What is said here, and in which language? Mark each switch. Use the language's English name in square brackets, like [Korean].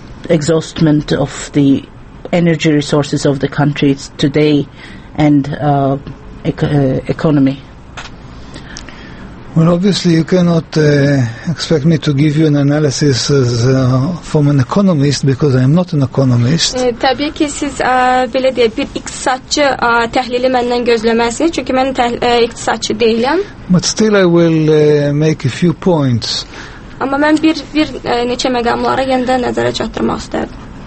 [English] Exhaustment of the energy resources of the country today and economy. Well, obviously, you cannot expect me to give you an analysis as, from an economist because I am not an economist. [Azerbaijani] Tabii ki siz belə deyək bir iqtisadçı təhlili məndən gözləməzsiniz çünki mən iqtisadçı deyiləm. [English] But still, I will make a few points. [Azerbaijani] Amma mən bir neçə məqamlara yenidən nəzərə çatdırmaq istəyirəm.